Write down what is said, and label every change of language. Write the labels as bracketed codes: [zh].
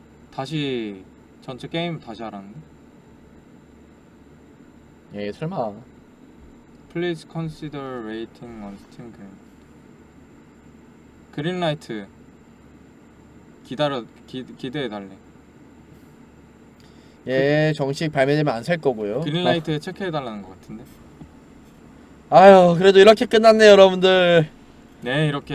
[ko] 다시 전체 게임 다시 하라는데? 예, 설마. [en] Please consider rating on Steam. [ko] 그린라이트 기다려 기대해 달래. 예, 정식 발매되면 안 살 거고요. 그린라이트에 체크해 달라는 것 같은데. 아유, 그래도 이렇게 끝났네요, 여러분들. 네, 이렇게.